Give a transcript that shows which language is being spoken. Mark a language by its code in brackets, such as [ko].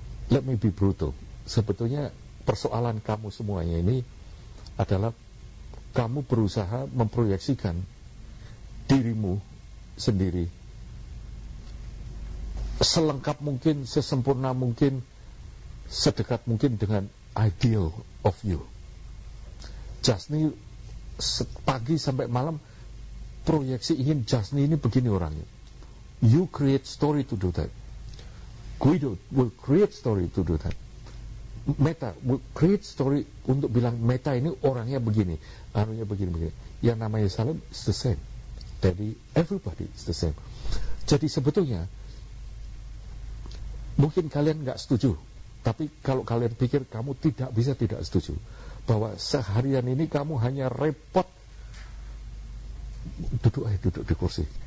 [en] Let me be brutal. [id] Sebetulnya persoalan kamu semuanya ini adalah kamu berusaha memproyeksikan dirimu sendiri selengkap mungkin, sesempurna mungkin, sedekat mungkin dengan [en] ideal of you. [id] Jasni pagi sampai malam proyeksi ingin Jasni ini begini orangnya. [en] You create story to do that. Guido will create story to do that. Meta will create story [id] untuk bilang Meta ini orangnya begini, anunya begini begini. Yang namanya [en] Salim is the same. [id] Jadi [en] everybody is the same. [id] Jadi sebetulnya mungkin kalian enggak setuju, tapi kalau kalian pikir kamu tidak bisa tidak setuju bahwa seharian ini kamu hanya repot duduk aja, duduk di kursi.